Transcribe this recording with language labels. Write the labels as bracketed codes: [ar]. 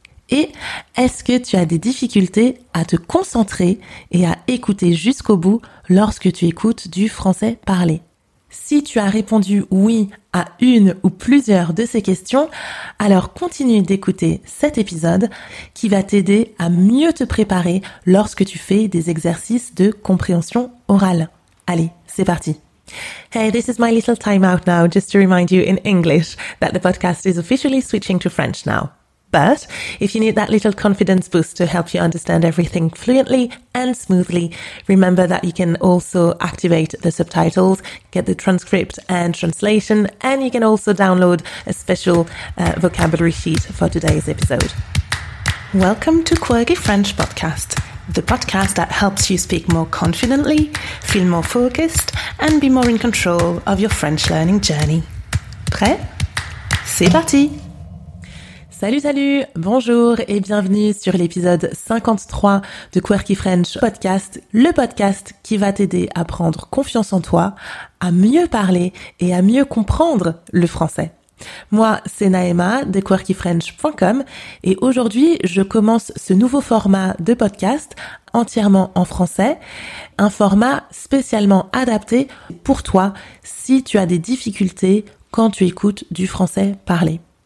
[fr] Et est-ce que tu as des difficultés à te concentrer et à écouter jusqu'au bout lorsque tu écoutes du français parlé? Si tu as répondu oui à une ou plusieurs de ces questions, alors continue d'écouter cet épisode qui va t'aider à mieux te préparer lorsque tu fais des exercices de compréhension orale. Allez, c'est parti. [en] Hey, this is my little time out now just to remind you in English that the podcast is officially switching to French now. But if you need that little confidence boost to help you understand everything fluently and smoothly, remember that you can also activate the subtitles, get the transcript and translation, and you can also download a special vocabulary sheet for today's episode. Welcome to Quirky French Podcast, the podcast that helps you speak more confidently, feel more focused, and be more in control of your French learning journey. [fr] Prêt? C'est parti! Salut, salut, bonjour et bienvenue sur l'épisode 53 de Quirky French Podcast, le podcast qui va t'aider à prendre confiance en toi, à mieux parler et à mieux comprendre le français. Moi, c'est Naëma de quirkyfrench.com et aujourd'hui, je commence ce nouveau format de podcast entièrement en français, un format spécialement adapté pour toi si tu as des difficultés quand tu écoutes du français parlé.